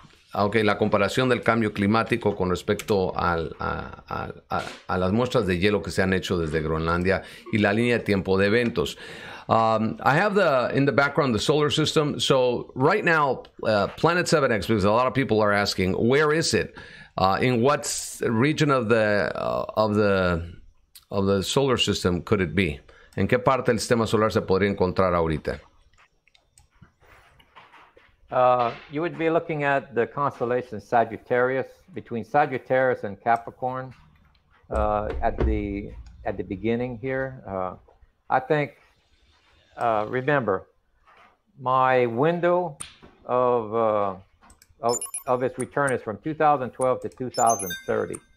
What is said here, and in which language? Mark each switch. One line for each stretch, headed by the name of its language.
Spanish: Okay, la comparación del cambio climático con respecto a las muestras de hielo que se han hecho desde Groenlandia y la línea de tiempo de eventos.
English: I have in the background the solar system. So right now, Planet 7X, because a lot of people are asking, where is it? In what region of the solar system could it be?
Spanish: ¿En qué parte del sistema solar se podría encontrar ahorita?
English: You would be looking at the constellation Sagittarius, between Sagittarius and Capricorn, at the beginning here. I think, remember, my window of its return is from 2012 to 2030.